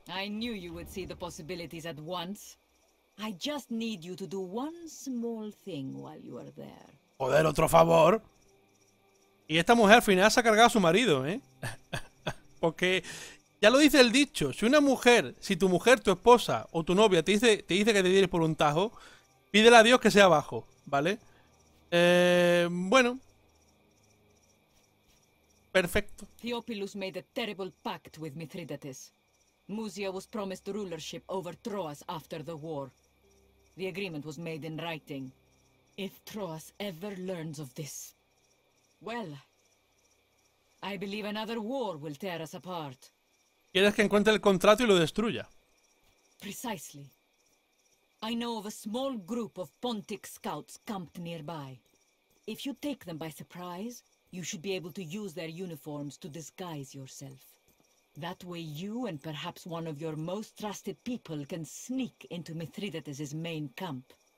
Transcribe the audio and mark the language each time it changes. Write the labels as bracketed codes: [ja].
[en] I knew you would see the possibilities at once. I just need you to do one small thing while you are there. [es] Joder, otro favor. Y esta mujer al final se ha cargado a su marido, ¿eh? Porque ya lo dice el dicho, si una mujer, si tu mujer, tu esposa o tu novia te dice que te tires por un tajo, pídele a Dios que sea bajo, ¿vale? Bueno. Perfecto. [en] Theopilus made a terrible pact with Mithridates. Musia was promised rulership over Troas after the war. The agreement was made in writing. If Troas ever learns of this, well, I believe another war will tear us apart. [es] ¿Quieres que encuentre el contrato y lo destruya? [en] Precisely. I know of a small group of Pontic scouts camped nearby. If you take them by surprise, you should be able to use their uniforms to disguise yourself. That way you and perhaps one of your most trusted people can sneak into Mithridates' main camp.